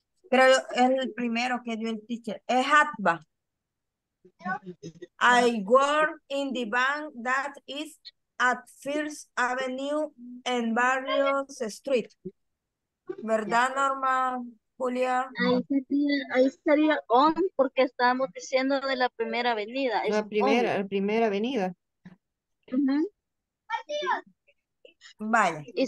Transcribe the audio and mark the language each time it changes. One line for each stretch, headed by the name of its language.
Spanish: Pero es el primero que dio el teacher. Es Hatba.
English: I work in the bank that is at First Avenue and Barrios Street.
Spanish: ¿Verdad, Norma, Julia? Ahí sería on porque estábamos diciendo de la primera avenida. La primera, on. La primera avenida. Uh-huh. Vaya.